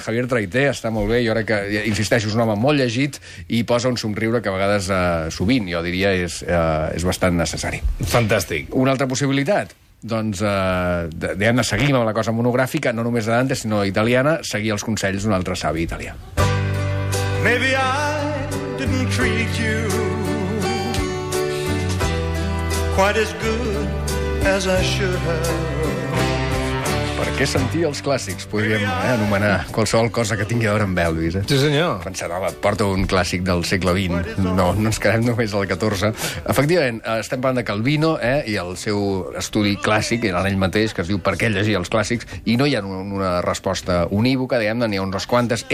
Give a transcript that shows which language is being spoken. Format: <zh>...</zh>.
<ca>Javier Traité està molt bé, jo crec que, insisteixo, és un home molt llegit i posa un somriure que a vegades sovint, jo diria, és bastant necessari. Fantàstic. Una altra possibilitat? Doncs, diguem-ne, seguim amb la cosa monogràfica, no només de Dante, sinó italiana, seguir els consells d'un altre savi italià.</ca> <en>Maybe I didn't treat you quite as good as I should have.</en> <ca>Per què sentir els clàssics? Podríem anomenar qualsevol cosa que tingui a veure amb Elvis. Sí, senyor. Pensant, home, porta un clàssic del segle XX. No ens quedem només al XIV. Efectivament, estem parlant de Calvino i el seu estudi clàssic, era ell mateix, que es diu Per què llegir els clàssics, i no hi ha una resposta unívoca, diguem-ne, n'hi ha unes quantes.</ca>